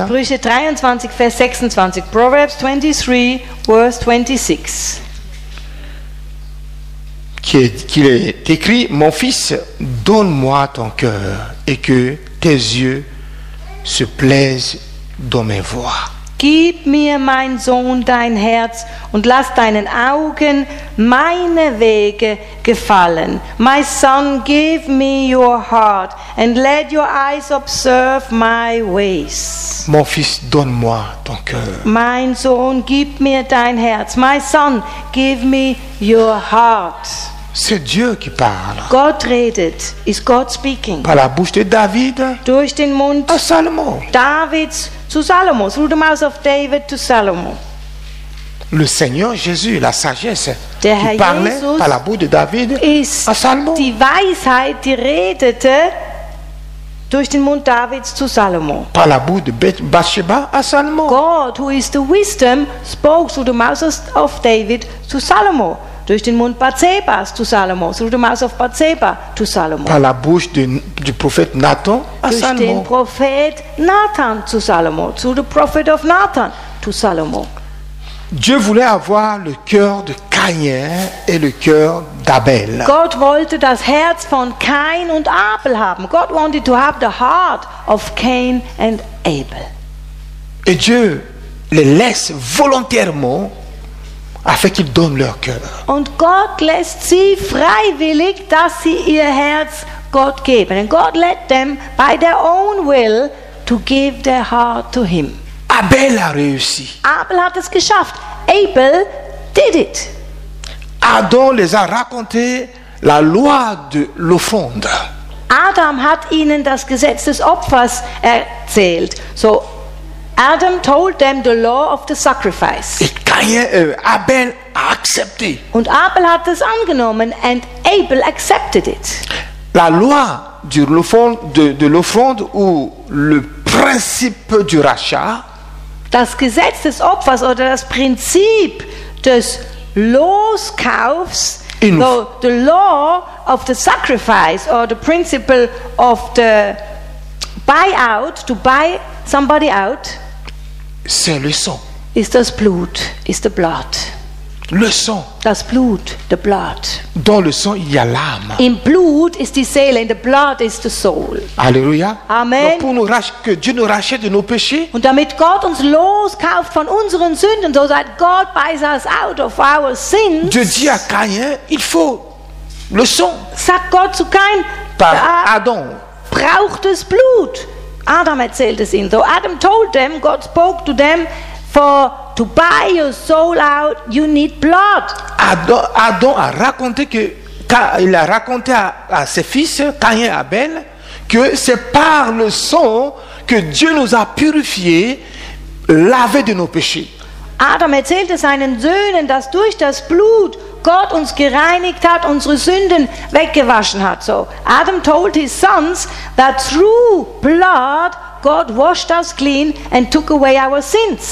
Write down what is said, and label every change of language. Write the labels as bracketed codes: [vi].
[de] Sprüche 23, Vers 26. [en] Proverbs 23, verse 26. [fr] Qu'il est écrit, mon fils, donne-moi ton cœur et que tes yeux se plaisent dans mes voies. [de] Gib mir, mein Sohn, dein Herz und lass deinen Augen meine Wege gefallen. [en] My son, give me your heart and let your eyes observe my ways. [fr] Mon fils, donne-moi ton cœur. [de] Mein Sohn, gib mir dein Herz. [en] My son, give me your heart. [fr] C'est Dieu qui parle. [de] God redet. [en] Is God speaking? [fr] Par la bouche de David. [de] Durch den Mund. [fr] À Salomon. [de] David zu Salomon. [en] Through the mouth of David to Salomon. [fr] Le Seigneur Jésus, la sagesse, der qui Herr parlait Jesus par la bouche de David. À Salomon. [de] Die Weisheit, die redete durch den Mund Davids zu Salomon. [fr] Par la bouche de Bathsheba à Salomon. [en] God, who is the wisdom, spoke through the mouth of David to Salomon. [de] Durch den Mund Bathsebas zu Salomo. [en] Through the mouth of Bathseba zu Salomo. [fr] Par la bouche du prophète Nathan à Salomo. [de] Durch den Prophet Nathan zu Salomo. [en] Through the prophet of Nathan to Salomo. [fr] Dieu voulait avoir le cœur de Caïn et le cœur d'Abel. [de] God wollte das Herz von Cain und Abel haben. [en] God wanted to have the heart of Cain and Abel. [fr] Et Dieu les laisse volontairement afin qu'ils donnent leur cœur. [de] Und Gott lässt sie freiwillig, dass sie ihr Herz Gott geben. [en] And God let them by their own will to give their heart to him. [fr] Abel a réussi. [de] Abel hat es geschafft. [en] Abel did it. [fr] Adam les a raconté la loi de l'offrande. [de] Adam hat ihnen das Gesetz des Opfers erzählt. [en] So Adam told them the law of the sacrifice. [fr] Abel a accepté. [de] Und Abel hat es angenommen [en] and Abel accepted it. [fr] La loi de l'offrande ou le principe du rachat. [de] Das Gesetz des Opfers oder das Prinzip des Loskaufs. [en] So the law of the sacrifice or the principle of the buyout, to buy somebody out. [fr] C'est le sang. [de] Is das Blut, [en] is the blood. [fr] Le sang. [de] Das Blut, [en] the blood. [fr] Dans le sang, il y a l'âme. [en] In blood is the soul, in the blood is the soul. [fr] Alléluia. Amen. Donc pour nous que Dieu nous rachète de nos péchés. [de] Und damit Gott uns loskauft von unseren Sünden, [en] so that God buys us out of our sins. [fr] Dieu dit à Caïn, il faut le sang. [de] Sagt Gott zu Kain, [fr] par Adam. [de] Braucht es Blut. Adam erzählt es ihnen. [en] So Adam told them, God spoke to them, for to buy your soul out, you need blood. [fr] Adam a raconté que il a raconté à ses fils Caïn et Abel que c'est par le sang que Dieu nous a purifiés, lavés de nos péchés. [de] Adam erzählte seinen Söhnen, dass durch das Blut Gott uns gereinigt hat, unsere Sünden weggewaschen hat. [en] So Adam told his sons that through blood God washed us clean and took away our sins.